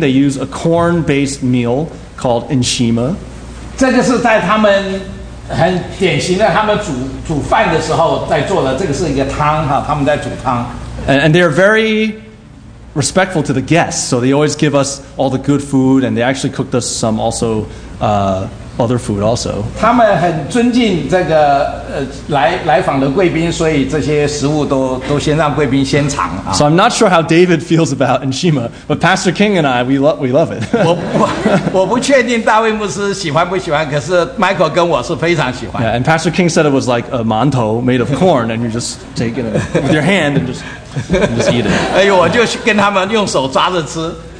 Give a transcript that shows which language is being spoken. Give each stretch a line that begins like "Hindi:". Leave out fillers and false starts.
English: They use a corn-based meal called enshima.
Chinese: 这个是在他们很典型的，他们煮饭的时候在做的。这个是一个汤哈，他们在煮汤。
English: And they are very respectful to the guests, so they always give us all the good food, and they actually cooked us some also other food also.
Chinese: 他们很尊敬这个来访的贵宾，所以这些食物都先让贵宾先尝。So
English: I'm not sure how David feels about enshima, but Pastor King and I, we love it.
Chinese: 我不确定大卫牧师喜欢不喜欢，可是 Michael 跟我是非常喜欢。
English: Yeah, and Pastor King said it was like a manto made of corn, and you just take it with your hand and just eat it.
Chinese: 哎呦，我就跟他们用手抓着吃。